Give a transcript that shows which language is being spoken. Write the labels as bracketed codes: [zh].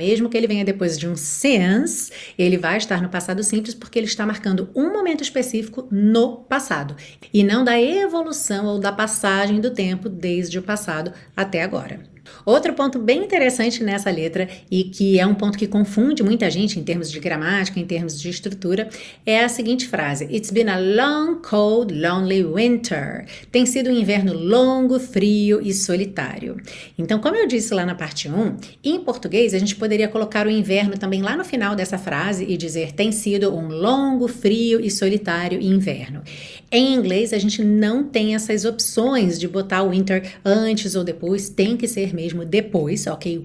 [pt] Mesmo que ele venha depois de um since, ele vai estar no passado simples porque ele está marcando um momento específico no passado e não da evolução ou da passagem do tempo desde o passado até agora. Outro ponto bem interessante nessa letra e que é um ponto que confunde muita gente em termos de gramática, em termos de estrutura, é a seguinte frase. [en] It's been a long, cold, lonely winter. [pt] Tem sido um inverno longo, frio e solitário. Então, como eu disse lá na parte 1, em português a gente poderia colocar o inverno também lá no final dessa frase e dizer tem sido um longo, frio e solitário inverno. Em inglês a gente não tem essas opções de botar winter antes ou depois, tem que ser mesmo depois, ok?